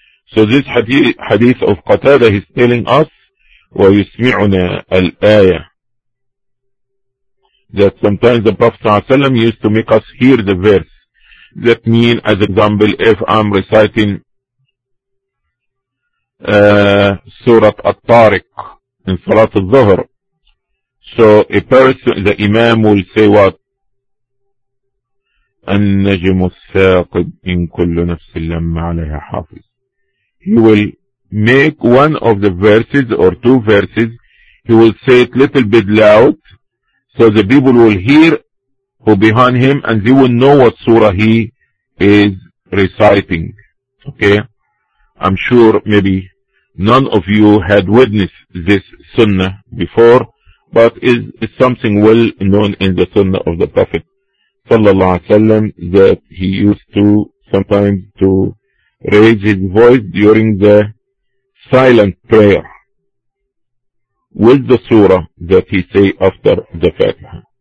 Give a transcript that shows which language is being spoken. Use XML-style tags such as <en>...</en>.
<en>So this hadith of Qatada is telling us,</en> <ar>وَيُسْمِعُنَا الْآيَةِ,</ar> <en>that sometimes the Prophet ﷺ used to make us hear the verse. That means, as example, if I'm reciting Surah At-Tariq in Salat al-Dhuhr, so a person, the Imam will say what?</en> <ar>النجم الثاقب إن كل نفس لما عليها حافظ.</ar> <en>He will make one of the verses or two verses, he will say it little bit loud, so the people will hear who behind him, and they will know what surah he is reciting. Okay? I'm sure maybe none of you had witnessed this sunnah before, but it's something well known in the sunnah of the Prophet sallallahu alaihi wasallam, that he used to sometimes to raise his voice during the silent prayer with the surah that he say after the Fatiha.</en>